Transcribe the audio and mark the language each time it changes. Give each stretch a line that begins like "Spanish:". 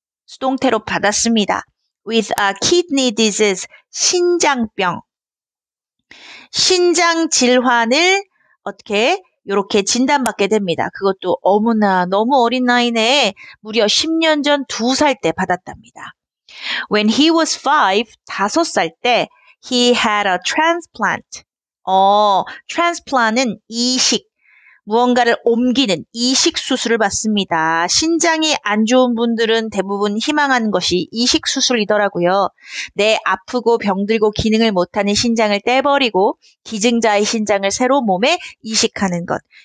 Korean: 수동태로 받았습니다.
English: With a kidney disease,
Korean: 신장병. 신장 질환을 어떻게 이렇게 진단받게 됩니다. 그것도 어머나 너무 어린 나이네. 무려 10년 전 2살 때 받았답니다.
English: When he was 5,
Korean: 5살 때,
English: he had a transplant.
Korean: 트랜스플란트는 이식, 무언가를 옮기는 이식 수술을 받습니다. 신장이 안 좋은 분들은 대부분 희망하는 것이 이식 수술이더라고요. 내 아프고 병들고 기능을 못하는 신장을 떼버리고 기증자의 신장을 새로 몸에 이식하는 것.